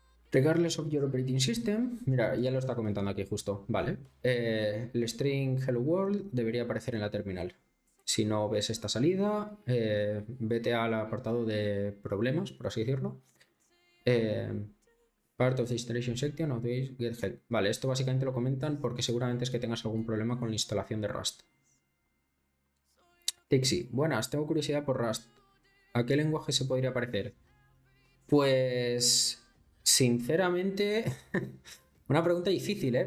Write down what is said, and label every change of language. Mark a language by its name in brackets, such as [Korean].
[English] Regardless of your operating system, [Spanish] mira, ya lo está comentando aquí justo, ¿vale? El string hello world debería aparecer en la terminal. Si no ves esta salida, vete al apartado de problemas, por así decirlo. [English] Part of the installation section of this get help. [Spanish] Vale, esto básicamente lo comentan porque seguramente es que tengas algún problema con la instalación de Rust. Tixi, buenas, tengo curiosidad por Rust. ¿A qué lenguaje se podría parecer? Pues, sinceramente, una pregunta difícil, ¿eh?